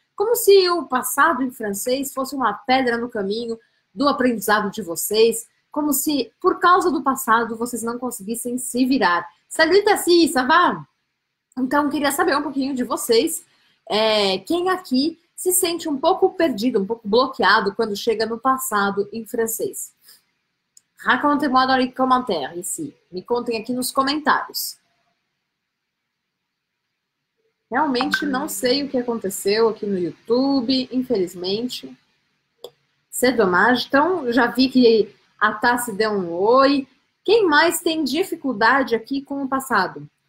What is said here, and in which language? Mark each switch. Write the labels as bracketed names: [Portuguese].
[Portuguese] Como se o passado em francês fosse uma pedra no caminho do aprendizado de vocês. Como se, por causa do passado, vocês não conseguissem se virar. [French] Salut, assis, ça va? [Portuguese] Então, queria saber um pouquinho de vocês. Quem aqui se sente um pouco perdido, um pouco bloqueado quando chega no passado em francês? [French] Racontez-moi dans les commentaires, ici. [Portuguese] Me contem aqui nos comentários. Realmente não sei o que aconteceu aqui no YouTube, infelizmente. [French] C'est dommage. [Portuguese] Então, já vi que a Tassi deu um oi. Quem mais tem dificuldade aqui com o passado?